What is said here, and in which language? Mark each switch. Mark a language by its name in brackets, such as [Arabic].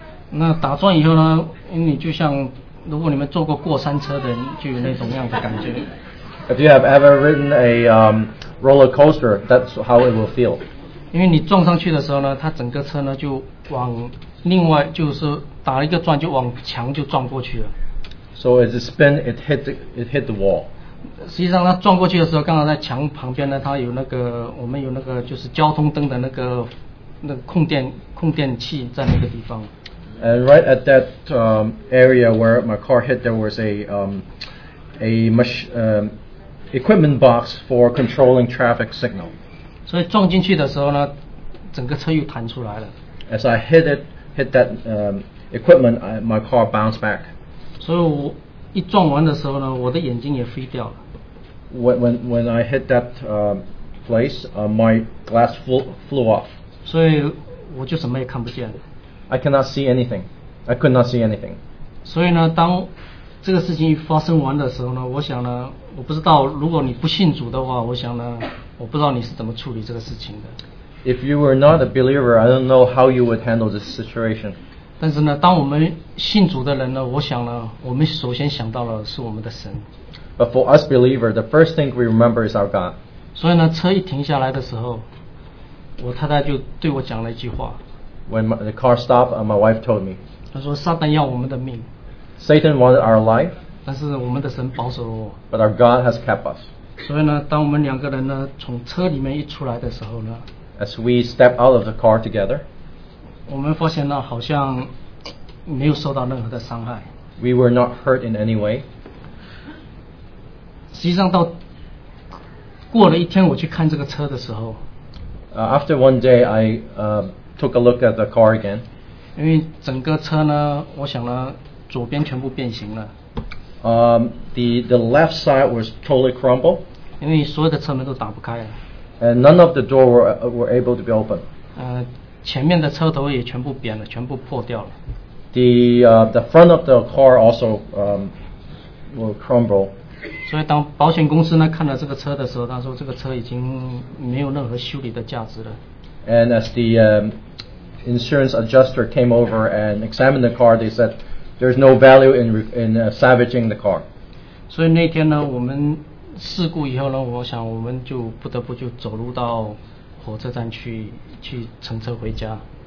[Chinese] 那打转以后呢，因为你就像如果你们坐过过山车的人，就有那种样的感觉。 [English] If you have ever ridden a roller coaster, that's how it will feel. [Chinese] 因为你撞上去的时候呢，它整个车呢就往另外就是打了一个转，就往墙就撞过去了。 [English] So as it spin, it hit the wall. [Chinese] 实际上它撞过去的时候，刚好在墙旁边呢，它有那个我们有那个就是交通灯的那个。那控电器在那个地方。 [English] And right at that area where my car hit, there was equipment box for controlling traffic signal. [Chinese] 所以撞进去的时候呢，整个车又弹出来了。 [English] As I hit that equipment, my car bounced back. [Chinese] 所以我一撞完的时候呢，我的眼睛也飞掉了。 [English] When I hit that place, my glass flew off. [Chinese] 所以我就什么也看不见。 [English] I cannot see anything. I could not see anything. [Chinese] 所以呢，当这个事情发生完的时候呢，我想呢，我不知道如果你不信主的话，我想呢，我不知道你是怎么处理这个事情的。 [English] If you were not a believer, I don't know how you would handle this situation. [Chinese] 但是呢，当我们信主的人呢，我想呢，我们首先想到了是我们的神。 [English] But for us believers, the first thing we remember is our God. [Chinese] 所以呢，车一停下来的时候。我太太就对我讲了一句话。 [English] when my, the car stopped, my wife told me. [Chinese] 他说, Satan 要我们的命, [English] Satan wanted our life. [Chinese] 但是我们的神保守了我, [English] but our God has kept us. [Chinese] 所以呢, 当我们两个人呢, 从车里面一出来的时候呢, [English] as we step out of the car together, [Chinese] 我们发现呢, [English] we were not hurt in any way. [Chinese] 实际上到, 过了一天我去看这个车的时候, [English] after one day, I took a look at the car again. [Chinese] 因为整个车呢, 我想呢, 左边全部变形了, [English] the left side was totally crumbled. [Chinese] 因为所有的车门都打不开了, [English] and none of the doors were able to be opened. [Chinese] 前面的车头也全部扁了, 全部破掉了, [English] the front of the car also were crumbled. [Chinese] 所以当保险公司呢, 看了这个车的时候, 他说这个车已经没有任何修理的价值了。 [English] And as the insurance adjuster came over and examined the car, they said there's no value in salvaging the car. [Chinese] 所以那天呢, 我们事故以后呢, 我想我们就不得不就走路到火车站去乘车回家。